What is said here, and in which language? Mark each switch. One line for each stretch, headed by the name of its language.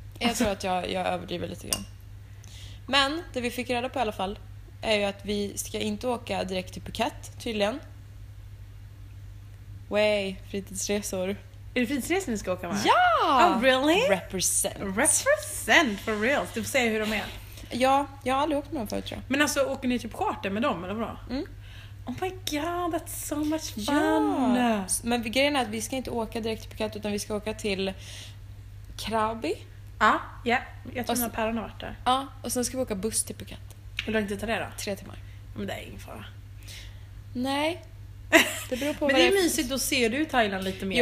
Swedish: Jag tror att jag överdriver lite grann. Men det vi fick reda på i alla fall är ju att vi ska inte åka direkt till Phuket tydligen. Way, fritidsresor. Är det fritidsresor ni ska åka med? Ja!
English: Oh, really? Represent, for real.
Swedish: Du får säga hur de är. Ja, jag har aldrig åkt med dem förut, tror jag. Men alltså, åker ni typ charter med dem, eller vadå? Mm.
English: Oh my god, that's so much fun.
Swedish: Ja. Men grejen är att vi ska inte åka direkt till Phuket, utan vi ska åka till Krabi. Ja, yeah. Jag tror att mina päron har varit där. Ja, och sen ska vi åka buss till Phuket. Hur långt tar det då? 3 timmar. Men det är ingen fara. Nej. Det beror på men det är mysigt, då ser du Thailand lite mer.